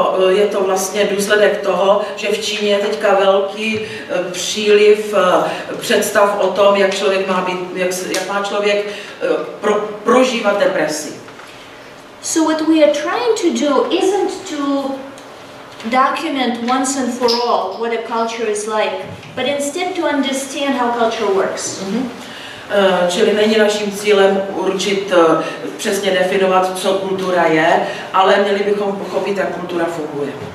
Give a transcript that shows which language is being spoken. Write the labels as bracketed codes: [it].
[cs] Je to vlastně důsledek toho, že v Číně je teďka velký příliv představ o tom, jak člověk má být, jak má člověk prožívat depresi. [en] So what we are trying to do isn't to document once and for all what a culture is like, but instead to understand how culture works. Mm-hmm. [cs] Čili není naším cílem určit, přesně definovat, co kultura je, ale měli bychom pochopit, jak kultura funguje.